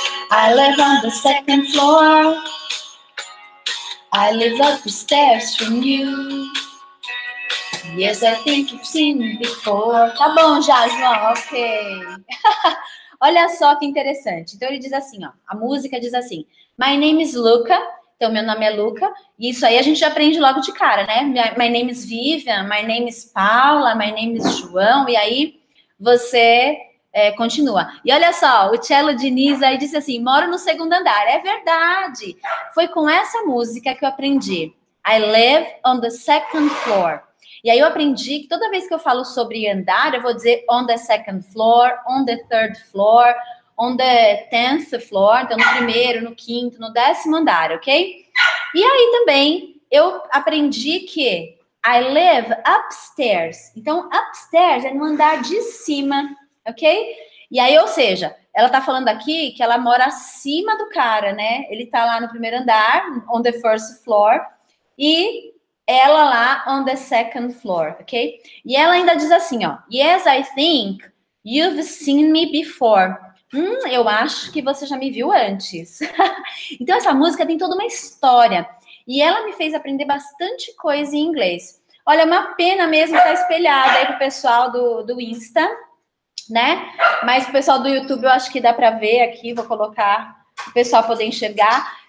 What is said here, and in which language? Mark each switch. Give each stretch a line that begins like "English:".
English: I live on the second floor. I live up the stairs from you. Yes, I think you've seen me before.
Portuguese: Tá bom já, João, ok. Olha só que interessante. Então ele diz assim, ó. A música diz assim:
English: My name is Luca.
Portuguese: Então meu nome é Luca. E isso aí a gente aprende logo de cara, né?
English: My name is Vivian. My name is Paula. My name is João.
Portuguese: E aí você continua. E olha só, o Cello Diniz aí disse assim: moro no segundo andar. É verdade. Foi com essa música que eu aprendi.
English: I live on the second floor.
Portuguese: E aí eu aprendi que toda vez que eu falo sobre andar, eu vou dizer
English: on the second floor, on the third floor, on the tenth floor.
Portuguese: Então, no primeiro, no quinto, no décimo andar, ok? E aí também eu aprendi que
English: I live upstairs.
Portuguese: Então, upstairs é no andar de cima, ok? E aí, ou seja, ela tá falando aqui que ela mora acima do cara, né? Ele tá lá no primeiro andar,
English: on the first floor,
Portuguese: e ela lá
English: on the second floor,
Portuguese: ok? E ela ainda diz assim, ó:
English: Yes, I think you've seen me before.
Portuguese: Eu acho que você já me viu antes. Então, essa música tem toda uma história. E ela me fez aprender bastante coisa em inglês. Olha, é uma pena mesmo estar espelhada aí pro pessoal do Insta, né? Mas o pessoal do YouTube, eu acho que dá pra ver aqui. Vou colocar o pessoal poder enxergar.